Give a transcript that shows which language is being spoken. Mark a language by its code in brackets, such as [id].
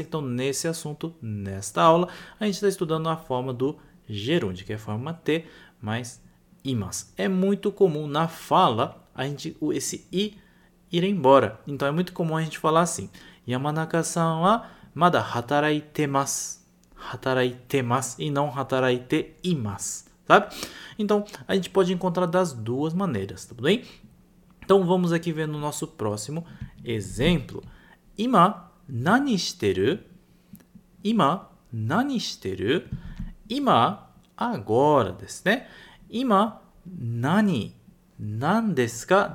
[pt] Então, nesse assunto, nesta aula, a gente está estudando a forma do gerúndio, que é a forma T mais imasu. É muito comum na fala a gente esse i ir embora. Então, é muito comum a gente falar assim. [ja] Yamanaka-san wa mada hataraitemasu. 働いてます [pt] e não [ja] 働いています。 [pt] Sabe? Então, a gente pode encontrar das duas maneiras, tá bem? Então, vamos aqui ver no nosso próximo exemplo. [ja] 今何してる?今何してる? 今 [pt] agora [ja] ですね。今何なんですか?